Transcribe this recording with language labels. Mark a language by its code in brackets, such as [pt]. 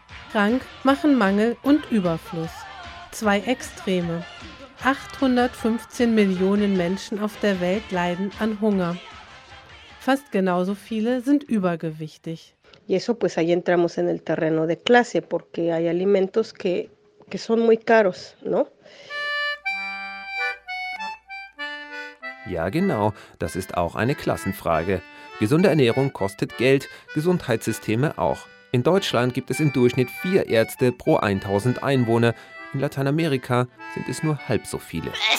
[de] Krank machen Mangel und Überfluss. Zwei Extreme. 815 Millionen Menschen auf der Welt leiden an Hunger. Fast genauso viele sind übergewichtig. [es] Y eso pues ahí entramos en el terreno de clase, porque hay alimentos que son muy caros, ¿no? [de] Ja, genau, das ist auch eine Klassenfrage. Gesunde Ernährung kostet Geld, Gesundheitssysteme auch. In Deutschland gibt es im Durchschnitt 4 Ärzte pro 1.000 Einwohner. In Lateinamerika sind es nur halb so viele.